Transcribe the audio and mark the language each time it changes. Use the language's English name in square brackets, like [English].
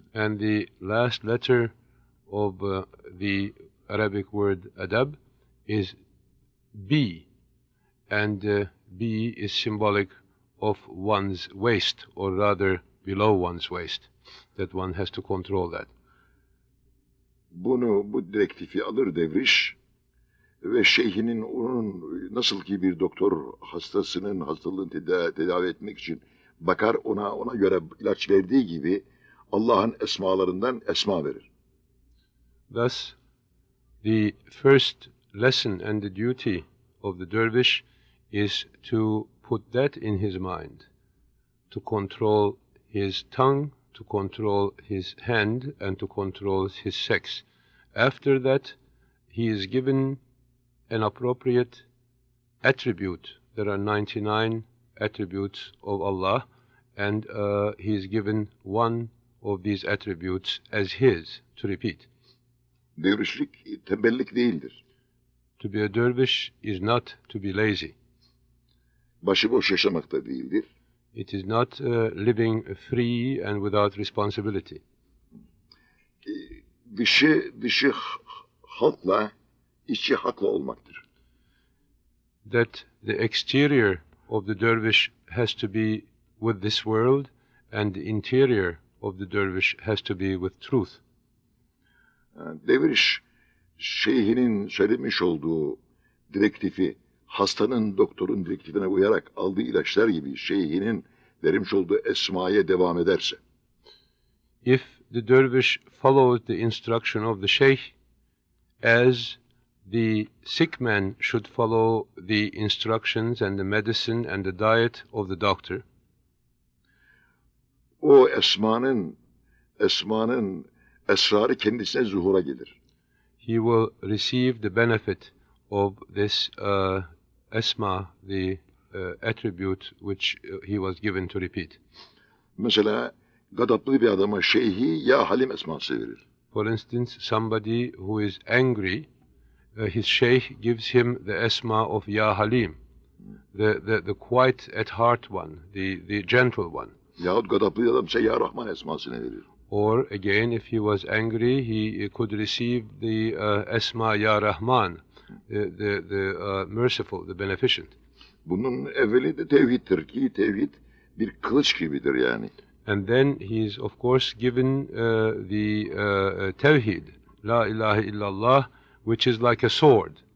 [English] And the last letter of the Arabic word adab is B, and B is symbolic of one's waist, or rather below one's waist, that one has to control that. [Turkish] Bunu, bu direktifi alır devriş ve şeyhinin onun nasıl ki bir doktor hastasının hastalığını tedavi etmek için bakar, ona göre ilaç verdiği gibi Allah'ın esmalarından esma verir. [English] Thus, The first lesson and the duty of the dervish is to put that in his mind, to control his tongue, to control his hand, and to control his sex. After that, he is given an appropriate attribute. There are 99 attributes of Allah, and he is given one of these attributes as his, to repeat. [Turkish] Dervişlik tembellik değildir. [English] To be a dervish is not to be lazy. [Turkish] Başıboş yaşamak da değildir. [English] It is not living free and without responsibility. [Turkish] Dışı halkla, içi hakla olmaktır. [English] That the exterior of the dervish has to be with this world, and the interior of the dervish has to be with truth. [Turkish] Derviş şeyhinin söylemiş olduğu direktifi, hastanın doktorun direktifine uyarak aldığı ilaçlar gibi şeyhinin vermiş olduğu esmaya devam ederse. [English] If the dervish follows the instruction of the sheikh, as the sick man should follow the instructions and the medicine and the diet of the doctor. [Turkish] O esmanın esrarı kendisine zuhura gelir. [English] He will receive the benefit of this esma, the attribute which he was given to repeat. [Turkish] Mesela gadaplı bir adama şeyhi ya halim esması verir. [English] For instance, somebody who is angry, his sheikh gives him the esma of Ya Halim, the quiet at heart one, the gentle one. [Turkish] Yahut gadaplı adam şey Ya Rahman esmasını verir. [English] Or again, if he was angry, he could receive the esma Ya Rahman, the merciful, the beneficent. [Turkish] Bunun evveli de tevhiddir ki tevhid bir kılıç gibidir yani. [English] And then he is, of course, given the tevhid, [Arabic] La ilahe illallah, [English] which is like a sword.